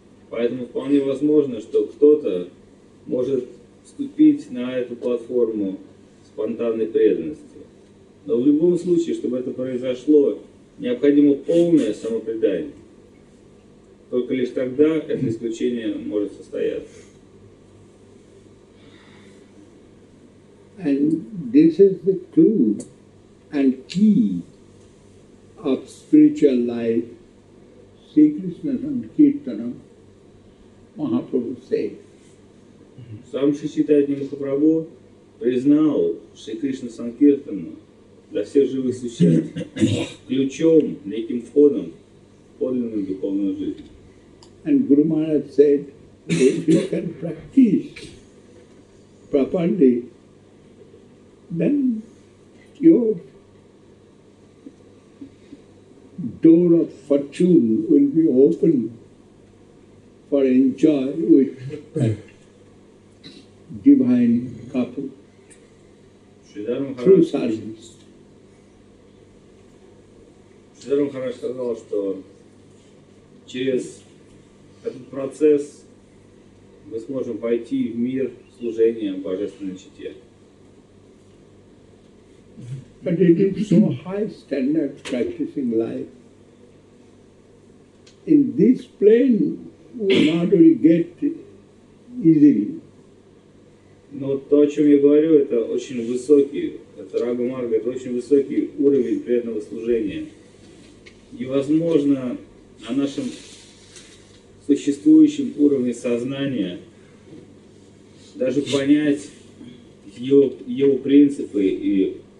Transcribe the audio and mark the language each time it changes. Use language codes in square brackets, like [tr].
[ru] Поэтому вполне возможно, что кто-то может вступить на эту платформу спонтанной преданности. Но в любом случае, чтобы это произошло, необходимо полное самопредание. Только лишь тогда это исключение может состояться. [en] And this is the clue and key of spiritual life, Sri Krishna Sankirtanam, Mahaprabhu said. [ru] Сам Шри Чайтанья Махапрабху признал Шри Кришна Санкиртану для всех живых существ ключом, неким входом в подлинную духовную жизнь. [en] And Guru Maharaj said, if you can practice properly, then your door of fortune will be open for enjoy with that divine couple through service. [ru] Шридхар Махарадж сказал, что через этот процесс мы сможем войти в мир служения Божественной Чите. [en] But it is so high standard practicing life. In this plane, we not only get easily. [ru] Но то, о чем я говорю, это очень высокий, это рага-марга, это очень высокий уровень преданного служения. Невозможно на нашем существующем уровне сознания даже понять его принципы и